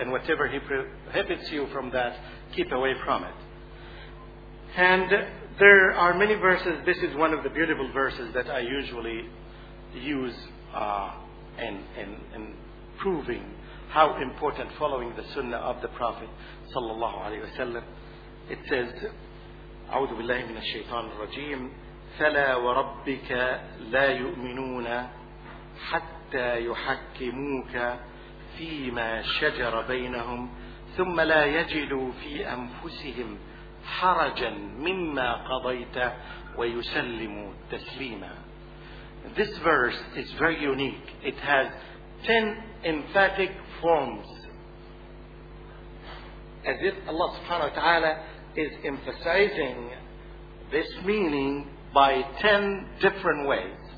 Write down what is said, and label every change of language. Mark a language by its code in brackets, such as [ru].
[en] And whatever he prohibits you from that, keep away from it. And there are many verses. This is one of the beautiful verses that I usually use in proving how important following the sunnah of the Prophet sallallahu alayhi wa sallam. It says, [ar] أعوذ بالله من الشيطان الرجيم فلا وربك لا يؤمنون حتى يحكموك فيما شجر بينهم ثم لا يجدوا في أنفسهم حرجا مما قضيت ويسلموا تسليما. [en] This verse is very unique. It has 10 emphatic forms. as if Allah subhanahu wa ta'ala is emphasizing this meaning by 10 different ways.